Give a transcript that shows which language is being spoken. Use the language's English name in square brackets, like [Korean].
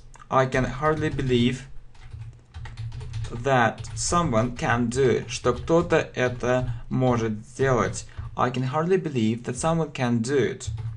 [English] I can hardly believe that someone can do. [Russian] Что кто-то это может сделать. [English] I can hardly believe that someone can do it.